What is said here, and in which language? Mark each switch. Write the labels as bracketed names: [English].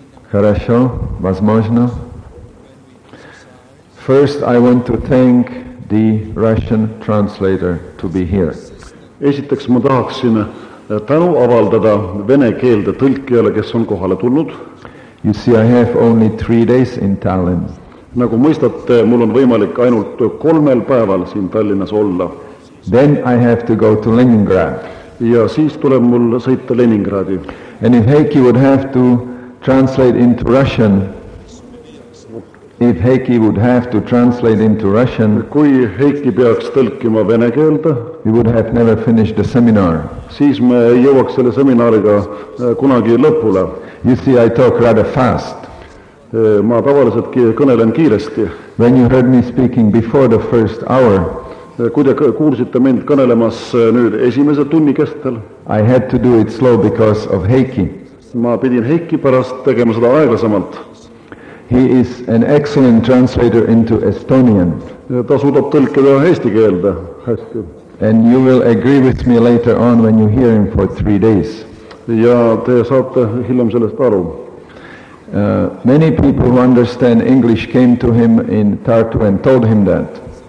[Russian] Хорошо, возможно. [English] First, I want to thank the Russian translator to be here. [Estonian] Esiteks ma tahaksin tänu avaldada vene keelde tõlkijale, kes on kohale tulnud. [English] You see, I have only 3 days in Tallinn. [Estonian] Nagu mõistate, mul on võimalik ainult 3 päeval siin Tallinnas olla. [English] Then I have to go to Leningrad. [Estonian] Ja siis tuleb mul sõita Leningradi. [English] And if Heiki would have to translate into Russian, [Estonian] kui Heiki peaks tõlkima vene keelde, [English] we would have never finished the seminar. [Estonian] Siis me ei jõuaks selle seminaariga kunagi lõpule. [English] You see, I talk rather fast. [Estonian] Ma tavaliselt kõnelen kiiresti. [English] When you heard me speaking before the first hour, [Estonian] kui te kuulsite mind kõnelemas nüüd esimese tunni kestel, [English] I had to do it slow because of Heiki. [Estonian] Ma pidin Heiki pärast tegema seda aeglasemalt. [English] He is an excellent translator into Estonian. [Estonian] Ta suudab tõlkida eesti keelde hästi. [English] And you will agree with me later on when you hear him for 3 days. [Estonian] Ja te saate hiljem sellest aru. [English] Many people who understand English came to him in Tartu and told him that.